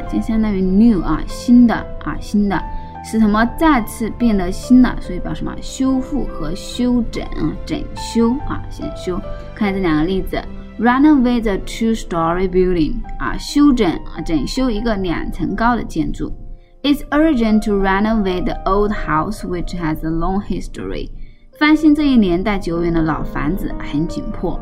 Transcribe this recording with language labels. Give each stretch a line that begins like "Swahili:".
Chinese: 就相当于 new 啊，新的啊，新的。使什么再次变得新了，所以表示什么修复和修整啊，整修啊，先修。看这两个例子 ，
English: renovate a two-story building
Chinese: 啊，修整啊，整修一个两层高的建筑。
English: It's urgent to renovate the old house which has a long history。
Chinese: 翻新这一年代久远的老房子很紧迫。